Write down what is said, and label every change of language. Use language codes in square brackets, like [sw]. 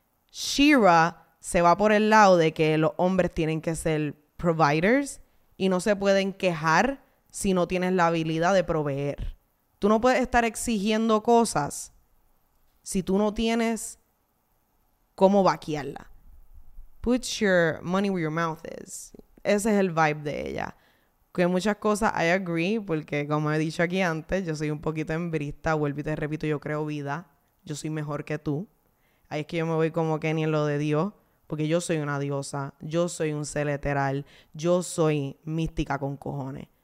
[es] Shira se va por el lado de que los hombres tienen que ser providers y no se pueden quejar si no tienes la habilidad de proveer. Tú no puedes estar exigiendo cosas si tú no tienes cómo vaquearla. [en] Put your money where your mouth is. [es] Ese es el vibe de ella. Que muchas cosas, [en] I agree, [es] porque como he dicho aquí antes, yo soy un poquito embrista, vuelvo y te repito, yo creo vida. Yo soy mejor que tú. Ahí es que yo me voy como Kenny en lo de Dios, porque yo soy una diosa, yo soy un ser eteral, yo soy mística con cojones.